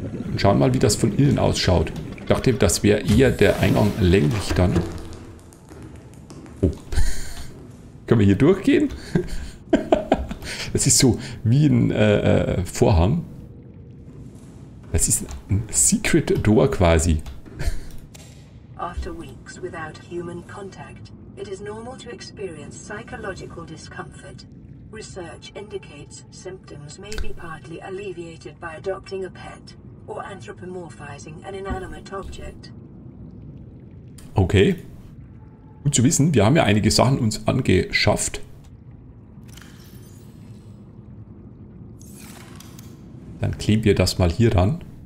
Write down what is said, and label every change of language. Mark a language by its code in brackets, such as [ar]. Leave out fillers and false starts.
[de] Und schauen mal, wie das von innen ausschaut. Ich dachte, das wäre eher der Eingang länglich dann. Oh. Können wir hier durchgehen? Das ist so wie ein Vorhang. Das ist ein Secret Door quasi. [en] After weeks without human contact. It is normal to experience psychological discomfort. Research indicates symptoms may be partly alleviated by adopting a pet or anthropomorphizing an inanimate object. Okay. [de] Gut zu wissen, wir haben ja einige Sachen uns angeschafft. Dann kleben wir das mal hier ran.